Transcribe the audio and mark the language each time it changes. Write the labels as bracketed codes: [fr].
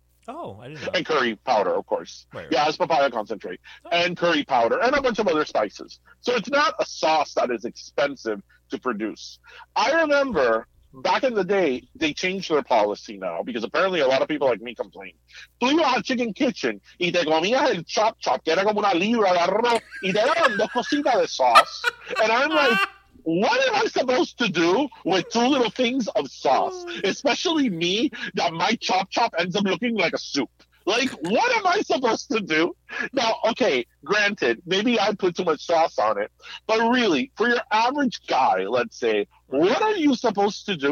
[en] Oh, I didn't know. And curry powder, of course. Right. Yeah, it's papaya concentrate and curry powder and a bunch of other spices. So it's not a sauce that is expensive to produce. I remember back in the day, they changed their policy now because apparently a lot of people like me complain. [es] Tú ibas al Chicken Kitchen y te comías el chop chop, que era como una libra de arroz, y te daban dos cositas de sauce. [en] And I'm like, what am I supposed to do with two little things of sauce? Especially me, that my chop chop ends up looking like a soup. Like, what am I supposed to do? Now, okay, granted, maybe I put too much sauce on it. But really, for your average guy, let's say, what are you supposed to do?